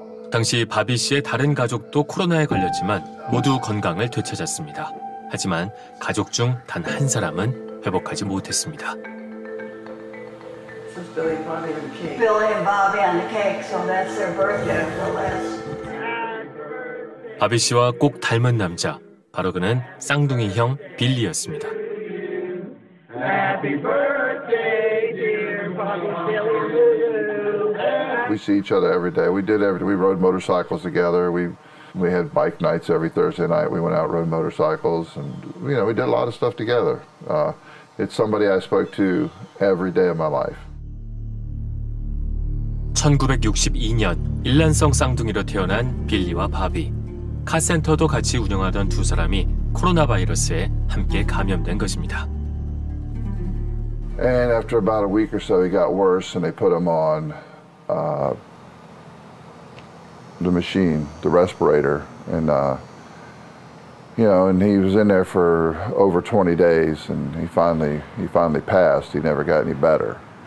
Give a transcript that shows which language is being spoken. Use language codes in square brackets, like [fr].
[ko] 당시 바비 씨의 다른 가족도 코로나에 걸렸지만 모두 건강을 되찾았습니다. 하지만 가족 중 단 한 사람은 회복하지 못했습니다. [en] Billy and Bobby on the cake, so that's their birthday nonetheless. [ko] 바비 씨와 꼭 닮은 남자, 바로 그는 쌍둥이 형 빌리였습니다. [en] Happy birthday, dear Bobby. We see each other every day. We rode motorcycles together. We had bike nights every Thursday night. We went out and rode motorcycles, and you know, we did a lot of stuff together. It's somebody I spoke to every day of my life. [ko] 1962년 일란성 쌍둥이로 태어난 빌리와 바비. 카센터도 같이 운영하던 두 사람이 코로나 바이러스에 함께 감염된 것입니다. [en] And after about a week or so, he got worse and they put him on the machine, the respirator. And, you know, and he was in there for over 20 days and he finally passed. He never got any better.